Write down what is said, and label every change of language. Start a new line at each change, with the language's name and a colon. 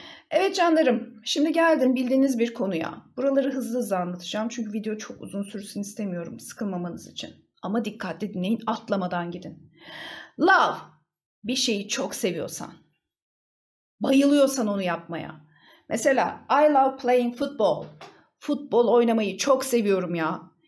Turkish: Evet canlarım, şimdi geldim bildiğiniz bir konuya. Buraları hızlı hızlı anlatacağım çünkü video çok uzun sürsün istemiyorum sıkılmamanız için. Ama dikkatli dinleyin, atlamadan gidin. Love, bir şeyi çok seviyorsan, bayılıyorsan onu yapmaya.
English: Mesela I love playing football.
Turkish: Futbol oynamayı çok seviyorum ya.